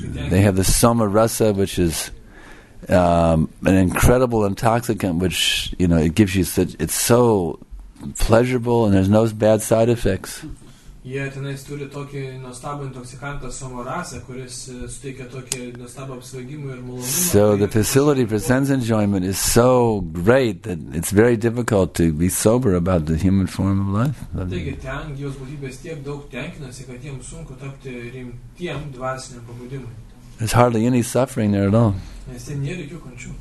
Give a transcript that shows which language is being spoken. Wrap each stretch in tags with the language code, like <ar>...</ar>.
<en>They have the soma rasa, which is an incredible intoxicant, which, you know, it gives you such, it's so pleasurable and there's no bad side effects.</en> <lt>Jie tenais turi tokį nuostabų intoksikantą somorasą, kuris suteikia tokį nuostabų apsvaigimą ir malonumą.</lt> <en>So the facility for sense enjoyment is so great that it's very difficult to be sober about the human form of life.</en> <lt>Taigi ten Dievo būtybės tiek daug tenkinasi, kad jiems sunku tapti rimtiem dvasiniam pabudimui.</lt> <en>There's hardly any suffering there at all.</en> <lt>Nes ten nėra jokių kančių.</lt>